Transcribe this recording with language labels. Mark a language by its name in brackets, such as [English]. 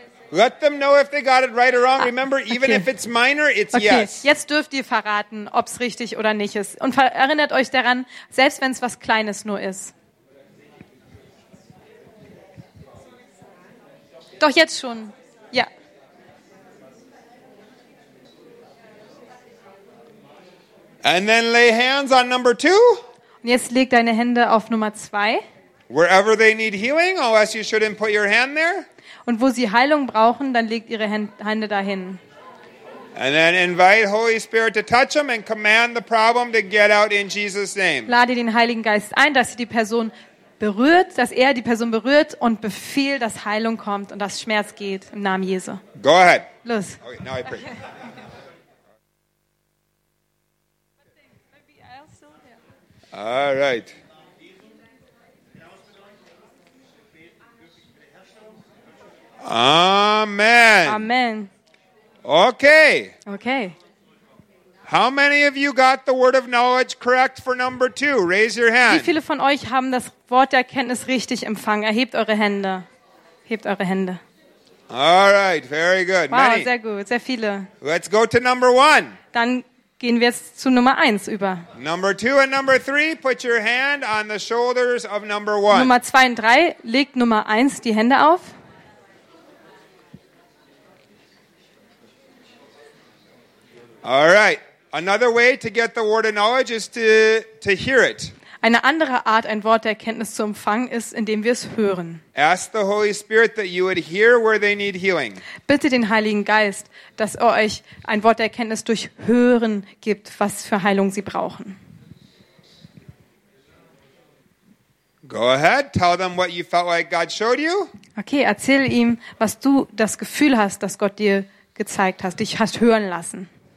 [English] Let them know if they got it right or wrong. Remember, even okay. If it's minor, it's okay. Yes. [German] Jetzt dürft ihr verraten, ob es richtig oder nicht ist. Und erinnert euch daran, selbst wenn es was Kleines nur ist. Doch jetzt schon. Ja. [English] And then lay hands on number two. [German] Und jetzt legt deine Hände auf Nummer zwei. [English] Wherever they need healing, unless you shouldn't put your hand there. [German] Und wo sie Heilung brauchen, dann legt ihre Hände dahin. [English] And then invite Holy Spirit to touch them and command the problem to get out in Jesus' name. [German] Lade den Heiligen Geist ein, dass sie die Person berührt, dass er die Person berührt und befiehlt, dass Heilung kommt und dass Schmerz geht im Namen Jesu. [English] Go ahead. [German] Los. [English] Okay, now I pray. Okay. All right. Amen. Amen. Okay. Okay. How many of you got the word of knowledge correct for number two? Raise your hand. [German] Wie viele von euch haben das Wort der Erkenntnis richtig empfangen? Erhebt eure Hände. Hebt eure Hände. [English] All right, very good. Wow, many. [German] Sehr gut, sehr viele. [English] Let's go to number one. [German] Dann gehen wir jetzt zu Nummer eins über. [English] Number two and number three, put your hand on the shoulders of number one. [German] Nummer zwei und drei, legt Nummer eins die Hände auf. [English] All right. Another way to get the word of knowledge is to hear it. [German] Eine andere Art, ein Wort der Erkenntnis zu empfangen, ist, indem wir es hören. [English] Ask the Holy Spirit that you would hear where they need healing. [German] Bitte den Heiligen Geist, dass er euch ein Wort der Erkenntnis durch Hören gibt, was für Heilung sie brauchen. [English] Go ahead, tell them what you felt like God showed you. [German] Okay, erzähl ihm, was du das Gefühl hast, dass Gott dir gezeigt hat, dich hast hören lassen.